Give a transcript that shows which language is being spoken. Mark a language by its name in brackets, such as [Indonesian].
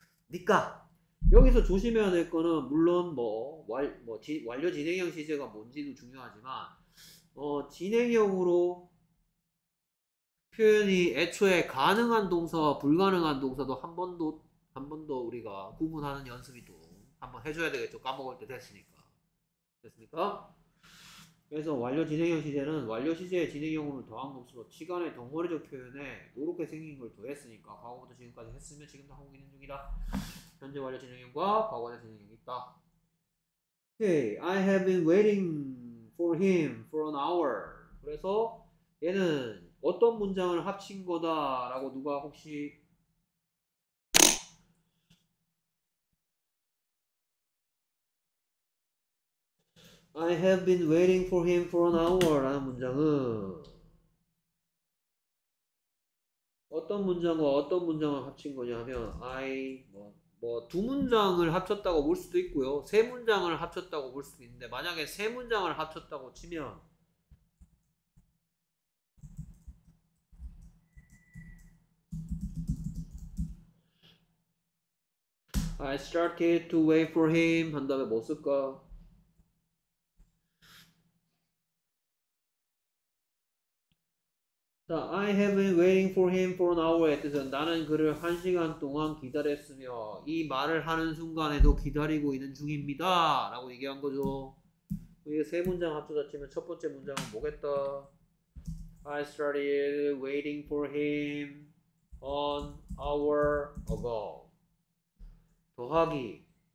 [Korean] 니까 여기서 조심해야 될 거는 물론 완료 진행형 시제가 뭔지도 중요하지만 진행형으로 표현이 애초에 가능한 동사와 불가능한 동사도 한 번도 우리가 구분하는 연습이 또 한번 해줘야 되겠죠. 까먹을 때 됐으니까. 됐습니까? 그래서 완료 진행형 시제는 완료 시제의 진행형으로 더한 것으로 시간의 덩어리적 표현에 이렇게 생긴 걸 더했으니까 과거부터 지금까지 했으면 지금도 하고 있는 중이다. 현재 완료 진행형과 과거 완료 진행형이 있다. [English] Okay, I have been waiting for him for an hour. [Korean] 그래서 얘는 어떤 문장을 합친 거다라고 누가 혹시 I have been waiting for him for an hour 라는 문장은 어떤 문장과 어떤 문장을 합친 거냐면 I 뭐두 문장을 합쳤다고 볼 수도 있고요. 세 문장을 합쳤다고 볼 수도 있는데 만약에 세 문장을 합쳤다고 치면 I started to wait for him 한 다음에 뭐 쓸까? [English] 자, I have been waiting for him for an hour. [Korean] 뜻은 나는 그를 한 시간 동안 기다렸으며 이 말을 하는 순간에도 기다리고 있는 중입니다. 라고 얘기한 거죠. 이게 세 문장 합쳐서 치면 첫 번째 문장은 뭐겠다? [English] I started waiting for him an hour ago. 더하기.